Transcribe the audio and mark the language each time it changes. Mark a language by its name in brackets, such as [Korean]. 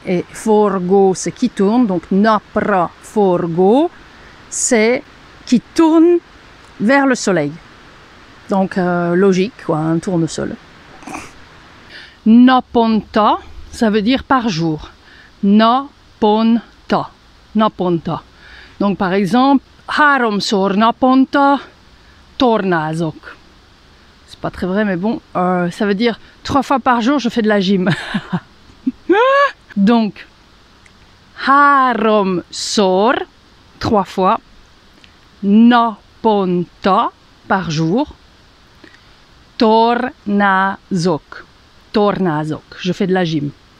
[French] Et forgo, c'est qui tourne. Donc [Hungarian] napra forgo, [French] c'est qui tourne vers le soleil. Donc logique, quoi, un tournesol. Naponta, ça veut dire par jour. [Hungarian] Naponta. Naponta. [French] Donc par exemple, [Hungarian] háromszor naponta tornázok. [French] Pas très vrai, mais bon, ça veut dire trois fois par jour, je fais de la gym. Donc, [Hungarian] harom sor, [French] trois fois, naponta, par jour, tornázok, tornázok, je fais de la gym.